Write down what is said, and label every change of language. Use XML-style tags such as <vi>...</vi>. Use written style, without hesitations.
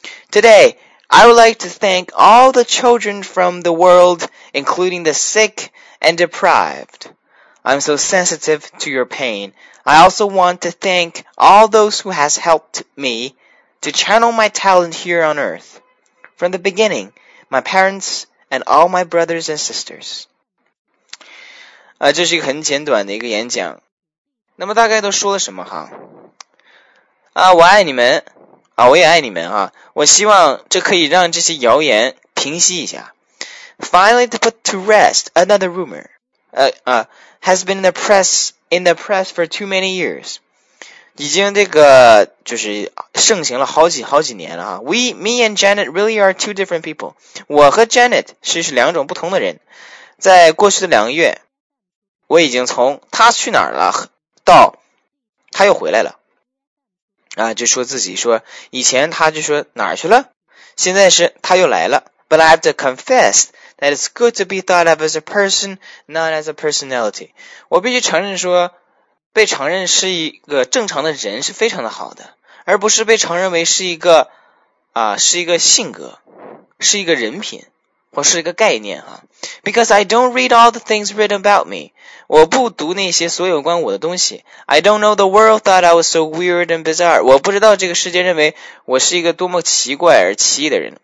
<en>Today, I would like to thank all the children from the world, including the sick and deprived. I'm so sensitive to your pain. I also want to thank all those who has helped me to channel my talent here on earth. From the beginning, my parents and all my brothers and sisters.</en> <zh>这是一个很简短的一个演讲。那么大概都说了什么哈？我爱你们，我也爱你们啊！我希望这可以让这些谣言平息一下。</zh> <en>Finally to put to rest another rumor. Has been in the press for too many years.</en> <zh>已经这个就是盛行了好几年了啊。</zh> <en>Me and Janet really are two different people.</en> <zh>我和 Janet 是两种不同的人。在过去的两个月，我已经从他去哪儿了到他又回来了。就说自己说以前他就说哪儿去了，现在是他又来了。</zh> <en>But I have to confess. That it's good to be thought of as a person, not as a personality.</en> <zh>我必须承认说，被承认是一个正常的人是非常的好的，而不是被承认为是一个是一个性格，是一个人品，或是一个概念啊。</zh> <en>Because I don't read all the things written about me.</en> <zh>我不读那些所有关我的东西。</zh> <en>I don't know the world thought I was so weird and bizarre.</en> <zh>我不知道这个世界认为我是一个多么奇怪而奇异的人。</zh>